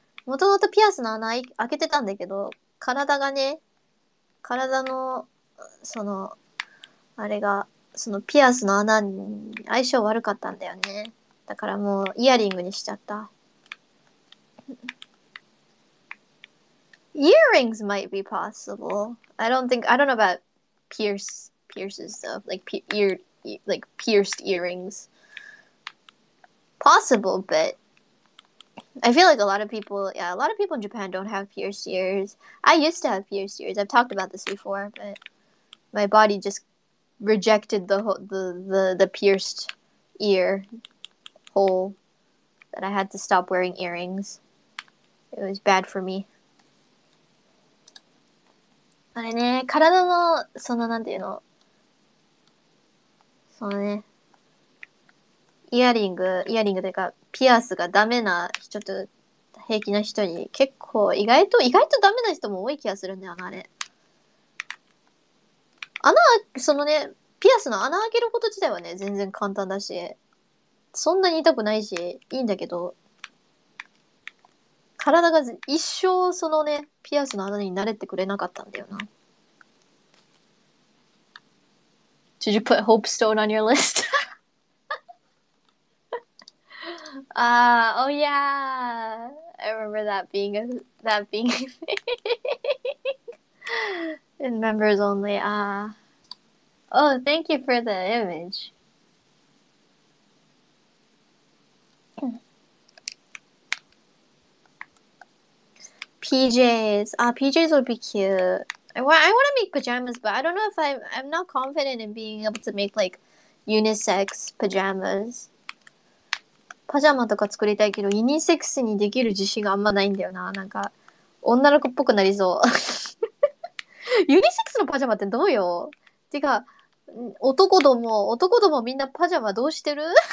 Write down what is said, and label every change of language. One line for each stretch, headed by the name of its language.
Japanese: もともとピアスの穴開けてたんだけど、体がね、体の、その、あれが、そのピアスの穴に相性悪かったんだよね。だからもうイヤリングにしちゃった。
English: Earrings might be possible. I don't know about pierces though. Like pierced earrings. Possible, but I feel like a lot of people in Japan don't have pierced ears. I used to have pierced ears. I've talked about this before, but my body justrejected the pierced ear hole that I had to stop wearing earrings. It was bad for me.
Japanese: あれね、体のそのなんていうの、そのね、イヤリングというかピアスがダメな人と平気な人に結構意外とダメな人も多い気がするんだよな、あれ。穴、そのね、ピアスの穴開けること自体はね、全然簡単だし、そんなに痛くないし、いいんだけど、体が一生そのね、ピアスの穴に慣れてくれなかったんだよな。
English: Did you put Hope Stone on your list? oh yeah! I remember that being a thing. In members only, Oh, thank you for the image. PJs. PJs would be cute. I want to make pajamas, but I don't know if I'm not confident in being able to make like unisex pajamas.
Japanese: パジャマとか作りたいけど、ユニセックスにできる自信があんまないんだよな。なんか女の子っぽくなりそう。ユニセックスのパジャマってどうよ？てか男どもみんなパジャマどうしてる？